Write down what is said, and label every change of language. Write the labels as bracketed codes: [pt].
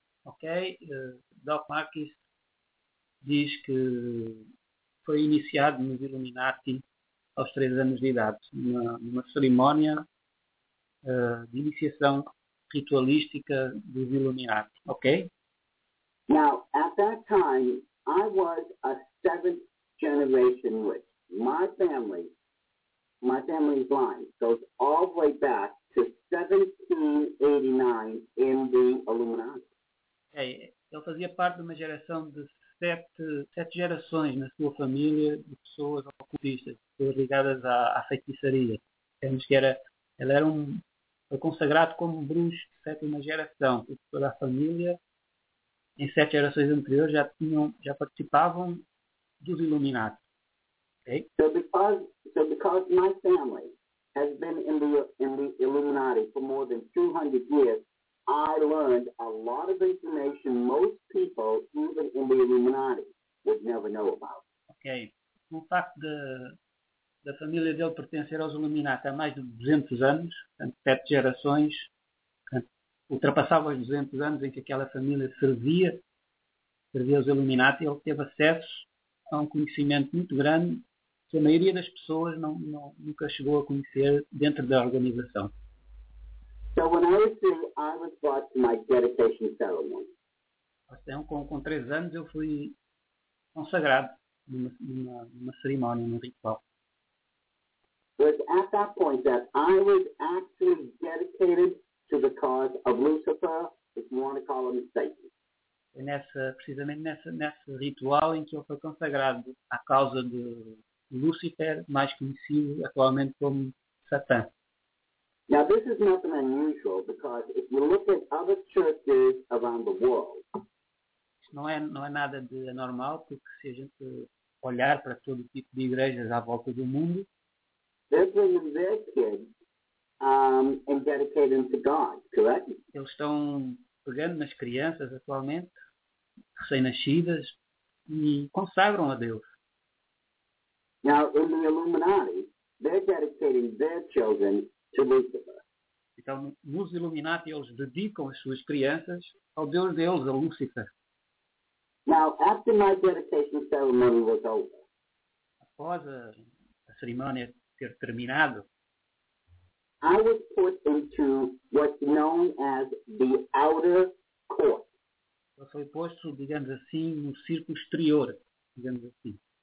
[pt] Okay, Doc Marques diz que foi iniciado nos Illuminati aos 3 anos de idade, numa cerimónia de iniciação ritualística dos Illuminati. Okay? [en] Now, at that time, I was a seventh generation witch. My family's line goes all the way back to 1789 in the Illuminati. Okay. [pt] Ele fazia parte de uma geração de sete gerações na sua família de pessoas ocultistas, pessoas ligadas à feitiçaria. Temos que ele era um foi consagrado como bruxo de sétima geração, e toda a família, em sete gerações anteriores, já participavam dos Illuminati. Okay? [en] So because my family has been in the Illuminati for more than 200 years, I learned a lot of information most people, even in the Illuminati, would never know about. Okay. [pt] O facto da família dele pertencer aos Illuminati há mais de 200 anos, portanto, sete gerações, ultrapassava os 200 anos em que aquela família servia aos Illuminati, ele teve acesso a um conhecimento muito grande que a maioria das pessoas não nunca chegou a conhecer dentro da organização. Então, quando eu era 3, eu fui [en] brought to my dedication ceremony. [pt] Então, com 3 anos, eu fui consagrado numa cerimónia, num ritual. [en] Was at that point that I was actually dedicated to the cause of Lucifer, if you want to call him Satan. [pt] Foi precisamente nesse ritual em que eu fui consagrado à causa de Lucifer, mais conhecido atualmente como Satã. [en] Now this is nothing unusual because if you look at other churches around the world. [pt] Isto não é nada de anormal, porque se a gente olhar para todo o tipo de igrejas à volta do mundo, eles estão pegando nas crianças atualmente, recém-nascidas, e consagram a Deus. [en] Now, in the Illuminati, they're dedicating their children to Lucifer. [pt] Então, nos Illuminati, eles dedicam as suas crianças ao Deus deles, a Lucifer. [en] Now, after my dedication ceremony was over, [pt] após a cerimónia ter terminado, [en] I was put into what's known as the outer court. [pt] Eu fui posto, digamos assim, no círculo exterior, digamos assim.